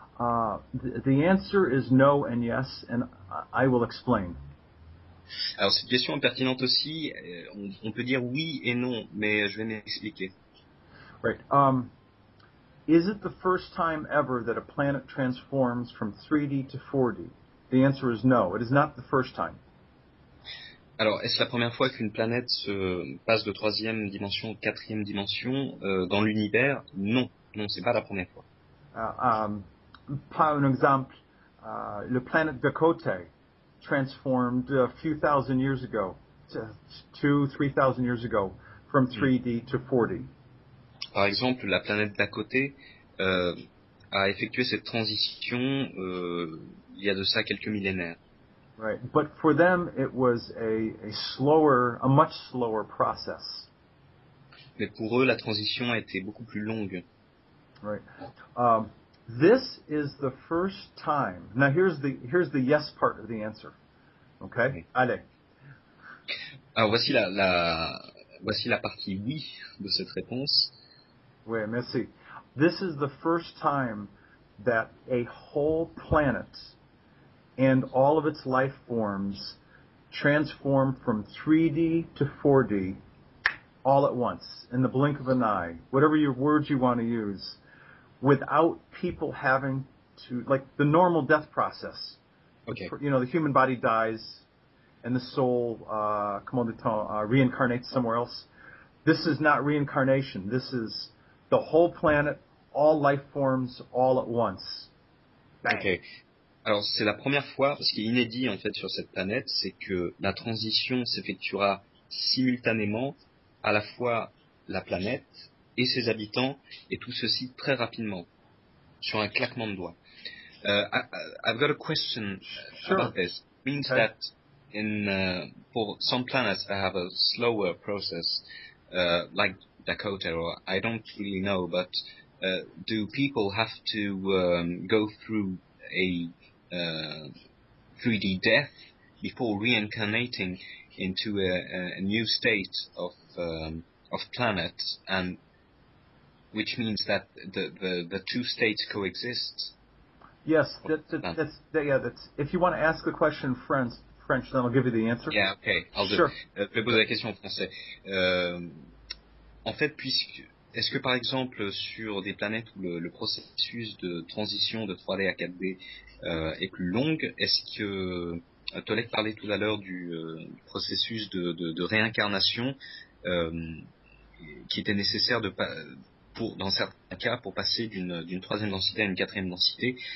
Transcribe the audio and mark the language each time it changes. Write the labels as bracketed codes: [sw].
[en] The answer is no and yes, and I will explain. [fr] Alors, cette question est pertinente aussi. On peut dire oui et non, mais je vais m'expliquer. [en] Right. Is it the first time ever that a planet transforms from 3D to 4D? The answer is no. It is not the first time. [fr] Alors, est-ce la première fois qu'une planète passe de troisième dimension à quatrième dimension dans l'univers? Non, c'est pas la première fois. Par exemple, le planète [en] Bacote transformed a few thousand years ago, 2-3 thousand years ago, from 3D to 4D. [fr] Par exemple, la planète Bacote a effectué cette transition il y a de ça quelques millénaires. [en] Right, but for them it was a much slower process. [fr] Mais pour eux, la transition a été beaucoup plus longue. [en] Right. This is the first time. Now here's the yes part of the answer. Okay. [fr] Allez. Alors voici la partie oui de cette réponse. Oui, merci. [en] This is the first time that a whole planet and all of its life forms transform from 3D to 4D all at once, in the blink of an eye, whatever your words you want to use, without people having to, like the normal death process. Okay. You know, the human body dies and the soul reincarnates somewhere else. This is not reincarnation. This is the whole planet, all life forms, all at once. Bang. Okay. [fr] Alors, c'est la première fois, ce qui est inédit, en fait, sur cette planète, c'est que la transition s'effectuera simultanément à la fois la planète et ses habitants, et tout ceci très rapidement, sur un claquement de doigts. [en] I've got a question about this. It means that for some planets that have a slower process, like Dakota, or I don't really know, but do people have to go through a 3D death before reincarnating into a new state of planet, and which means that the two states coexist? Yes, that's if you want to ask the question in French, then I'll give you the answer. Yeah, okay, I'll do. Sure. [fr] Je pose la question en français. En fait, puisque est-ce que par exemple sur des planètes où le processus de transition de 3D à 4D est plus long, est-ce que Tolek parlait tout à l'heure du processus de réincarnation qui était nécessaire dans certains cas pour passer d'une troisième densité à une quatrième densité.